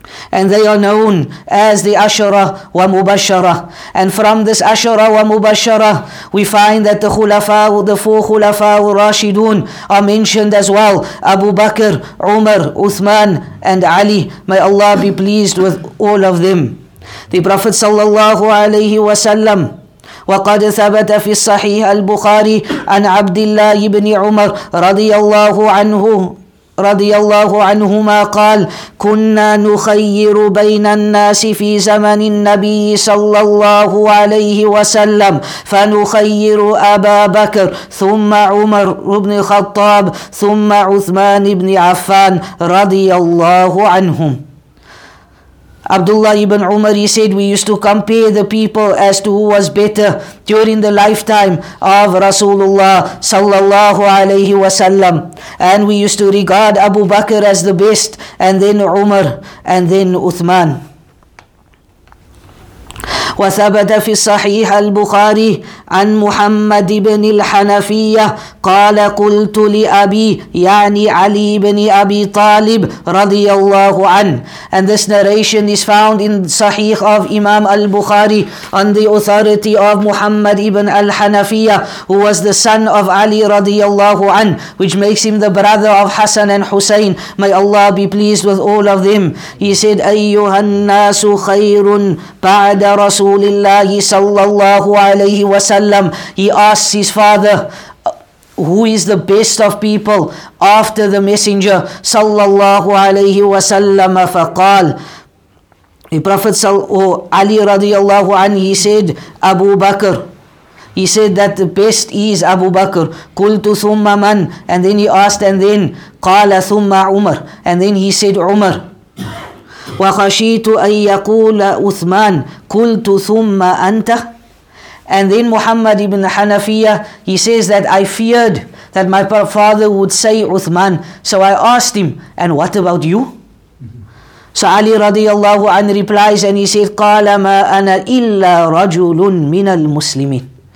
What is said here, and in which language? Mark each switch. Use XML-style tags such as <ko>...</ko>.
<en>And they are known as the Ashara wa Mubashara. And from this Ashara wa Mubashara, we find that the Khulafa, the four Khulafa wa Rashidun are mentioned as well. Abu Bakr, Umar, Uthman, and Ali. May Allah be pleased with all of them. The Prophet sallallahu alayhi wa sallam,</en> <ar>وقد ثبت في الصحيح البخاري عن عبد الله بن عمر رضي الله عنهما قال كنا نخير بين الناس في زمن النبي صلى الله عليه وسلم فنخير أبا بكر ثم عمر بن الخطاب ثم عثمان بن عفان رضي الله عنهم.</ar> <en>Abdullah ibn Umar, he said, we used to compare the people as to who was better during the lifetime of Rasulullah sallallahu alayhi wa sallam. And we used to regard Abu Bakr as the best, and then Umar, and then Uthman.</en> <ar>وثبت في الصحيح البخاري عن محمد بن الحنفية قال قلت لأبي يعني علي بن أبي طالب رضي الله عنه.</ar> <en>And this narration is found in Sahih of Imam al-Bukhari on the authority of Muhammad ibn al-Hanafiyya, who was the son of Ali</en> <ar>رضي الله عنه,</ar> <en>which makes him the brother of Hassan and Hussein. May Allah be pleased with all of them. He said,</en> <ar>أيها الناس خير بعد رسول الله صلى الله عليه وسلم.</ar> <en>He asks his father, who is the best of people after the messenger صلى الله عليه وسلم.</en> <ar>فقال,</ar> <en>the Prophet Ali</en> <ar>رضي الله عنه,</ar> <en>he said Abu Bakr. He said that the best is Abu Bakr.</en> <ar>قلت ثم من,</ar> <en>and then he asked, and then</en> <ar>قال ثم عمر,</ar> <en>and then he said عمر.</en> <ar>وخشيت أن يقول أثمان قلت ثم أنت.</ar> <en>And then Muhammad ibn Hanafiyya, he says that I feared that my father would say Uthman, so I asked him, and what about you? So Ali radiallahu anhu replies, and he said,</en> <ar>قال ما أنا إلا رجل من المسلمين.</ar>